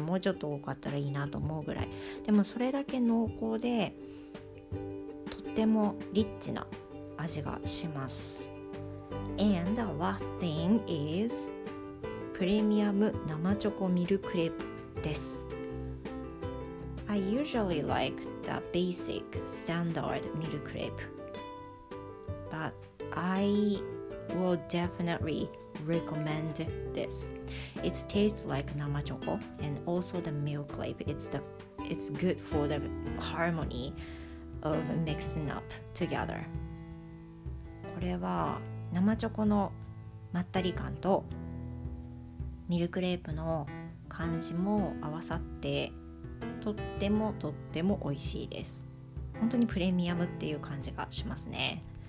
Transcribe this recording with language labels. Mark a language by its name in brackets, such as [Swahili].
[Japanese] もうちょっと多かったらいいなと思うぐらい。でもそれだけ濃厚でとってもリッチな味がします。 [English] And the last thing is [Japanese] プレミアム生チョコミルクレープです。 [English] I usually like the basic standard meal crepe, but I will definitely recommend this. It tastes like nama choco, and also the meal crepe, it's good for the harmony of mixing up together. [Japanese] これは生チョコのまったり感とミルクレープの感じも合わさってとってもとっても美味しいです。本当にプレミアムっていう感じがしますね。